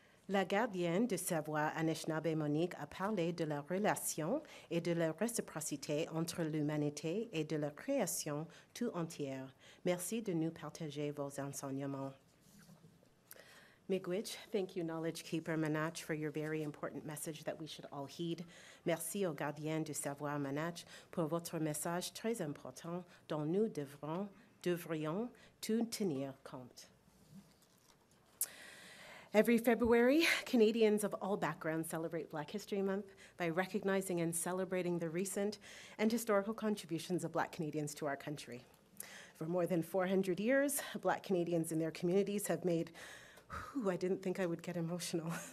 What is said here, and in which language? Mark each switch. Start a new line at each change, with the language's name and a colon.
French: La gardienne de savoir Anishinaabe Monique a parlé de la relation et de la réciprocité entre l'humanité et de la création tout entière. Merci de nous partager vos enseignements.
English: Miigwech, thank you, Knowledge Keeper Manatch, for your very important message that we should all heed.
French: Merci aux gardiennes de savoir Manatch pour votre message très important dont nous devrions tout tenir compte.
English: Every February, Canadians of all backgrounds celebrate Black History Month by recognizing and celebrating the recent and historical contributions of Black Canadians to our country. For more than 400 years, Black Canadians in their communities have made, I didn't think I would get emotional.